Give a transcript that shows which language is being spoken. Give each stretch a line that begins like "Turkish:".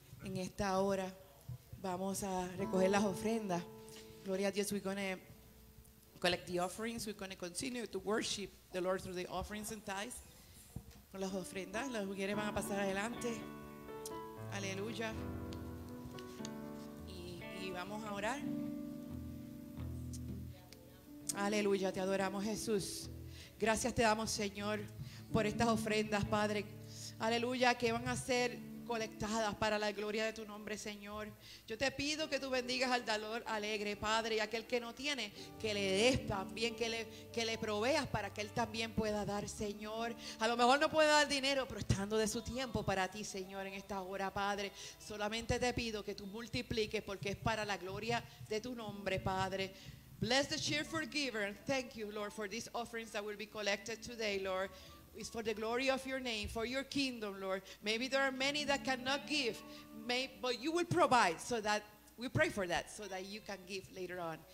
Spanish: En esta hora vamos a recoger las ofrendas. Gloria a Dios.
English: We're going to collect the offerings. We're going to continue to worship the Lord through the offerings and tithes.
Spanish: Con las ofrendas, las mujeres van a pasar adelante. Aleluya. Y vamos a orar. Aleluya, te adoramos, Jesús. Gracias te damos, Señor, por estas ofrendas, Padre. Aleluya, que van a ser colectadas para la gloria de tu nombre, Señor. Yo te pido que tú bendigas al dador alegre, Padre, y aquel que no tiene, que le des también, que le proveas para que él también pueda dar, Señor. A lo mejor no puede dar dinero, pero estando de su tiempo para ti, Señor, en esta hora, Padre, solamente te pido que tú multipliques, porque es para la gloria de tu nombre, Padre.
English: Bless the cheerful giver. Thank you, Lord, for these offerings that will be collected today, Lord. It's for the glory of your name, for your kingdom, Lord. Maybe there are many that cannot give, but you will provide, so that we pray for that, so that you can give later on.